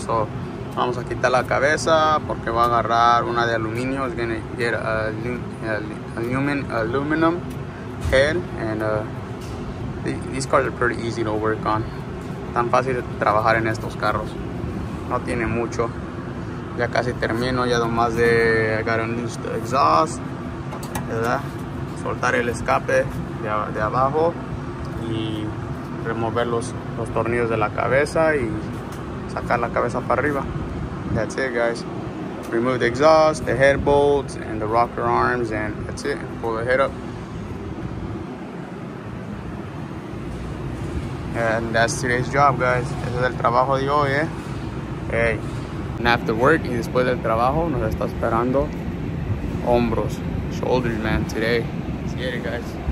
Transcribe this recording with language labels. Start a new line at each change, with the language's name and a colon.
Spanish: So, vamos a quitar la cabeza porque va a agarrar una de aluminio.
English: Es gonna get aluminum head. And these cars are pretty easy to work on.
Spanish: Tan fácil trabajar en estos carros. No tiene mucho. Ya casi termino. Ya nomás de agarrar un exhaust, ¿verdad? Soltar el escape de abajo y remover los tornillos de la cabeza y sacar la cabeza para arriba.
English: That's it, guys. Remove the exhaust, the head bolts, and the rocker arms, and that's it. Pull the head up. And that's today's job, guys.
Spanish: Ese es el trabajo de hoy,
English: Hey. And after work,
Spanish: y después del trabajo, nos está esperando hombros,
English: shoulders, man, today. Let's get it, guys.